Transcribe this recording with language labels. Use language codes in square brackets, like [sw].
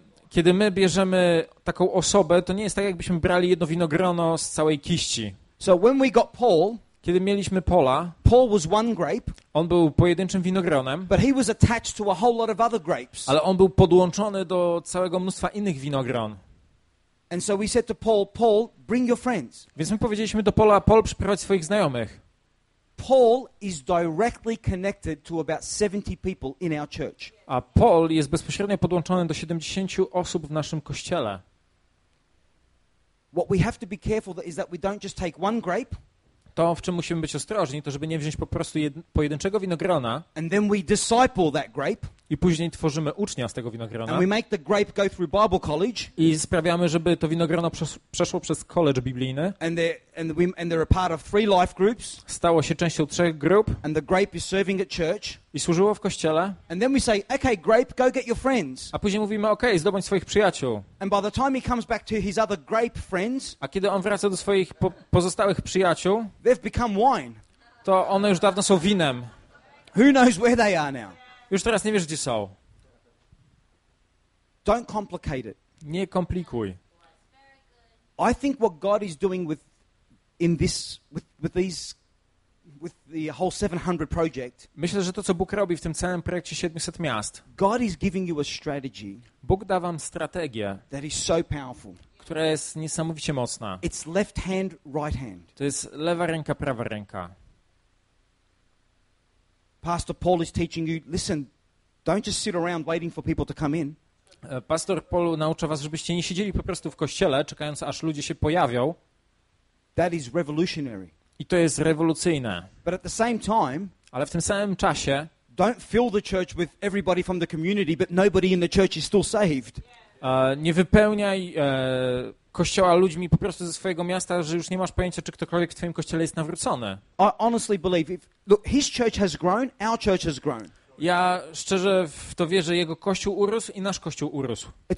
[pl] Kiedy my bierzemy taką osobę, to nie jest tak, jakbyśmy brali jedno winogrono z całej kiści. [en] So when we got Paul, [pl] kiedy mieliśmy Paula, [en] Paul was one grape, [pl] on był pojedynczym winogronem, [en] but he was attached to a whole lot of other grapes. [pl] Ale on był podłączony do całego mnóstwa innych winogron. [en] And so we said to Paul, Paul, bring your friends. [pl] Więc my powiedzieliśmy do Paula, Paul, przyprowadź swoich znajomych. [en] Paul is directly connected to about 70 people in our church. [pl] A Paul jest bezpośrednio podłączony do 70 osób w naszym kościele. [en] What we have to be careful is that we don't just take one grape. [pl] To, w czym musimy być ostrożni, to żeby nie wziąć po prostu pojedynczego winogrona. [en] And then we disciple that grape. [pl] I później tworzymy ucznia z tego winogrona. [en] And we make the grape go through Bible college. [pl] I sprawiamy, żeby to winogrono przeszło przez college biblijny. [en] And they're a part of three life groups. [pl] Stało się częścią trzech grup. [en] And the grape is serving at church. [pl] I służyło w kościele. [en] And then we say, okay, grape, go get your friends. [pl] A później mówimy, okay, zdobądź swoich przyjaciół. [en] And by the time he comes back to his other grape friends, [pl] a kiedy on wraca do swoich pozostałych przyjaciół, [en] they've become wine. [pl] To one już dawno są winem. [en] Who knows where they are now? [pl] Już teraz nie wiesz, gdzie są. [en] Don't complicate it. [pl] Nie komplikuj. [en] I think what God is doing with in this with these with the whole 700 project. [pl] Myślę, że to co Bóg robi w tym całym projekcie 700 miast. [en] God is giving you a strategy. [pl] Bóg da wam strategię. [en] That is so powerful. [pl] Która jest niesamowicie mocna. [en] It's left hand, right hand. [pl] To jest lewa ręka, prawa ręka. [en] Pastor Paul is teaching you, listen, don't just sit around waiting for people to come in. [pl] Pastor Paul naucza was, żebyście nie siedzieli po prostu w kościele, czekając, aż ludzie się pojawią. [en] That is revolutionary. [pl] I to jest rewolucyjne. [en] But at the same time, [pl] ale w tym samym czasie, [en] don't fill the church with everybody from the community, but nobody in the church is still saved. [pl] Nie wypełniaj kościoła ludźmi po prostu ze swojego miasta, że już nie masz pojęcia, czy ktokolwiek w twoim kościele jest nawrócony. [en] I honestly believe if look, his church has grown, our church has grown. [pl] Ja szczerze w to wierzę, jego kościół urósł i nasz kościół urósł.